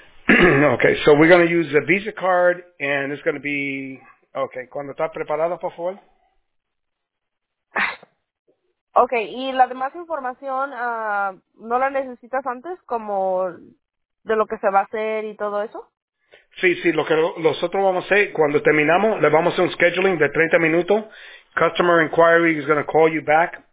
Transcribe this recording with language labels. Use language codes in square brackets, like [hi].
[en] Okay, so we're going to use the Visa card and it's going to be. [es] Okay, cuando estás preparado, por favor. Okay, y la demás información, ¿no la necesitas antes como de lo que se va a hacer y todo eso? Sí, lo que nosotros vamos a hacer, cuando terminamos, le vamos a hacer un scheduling de 30 minutos. [en] Customer inquiry is going to call you back.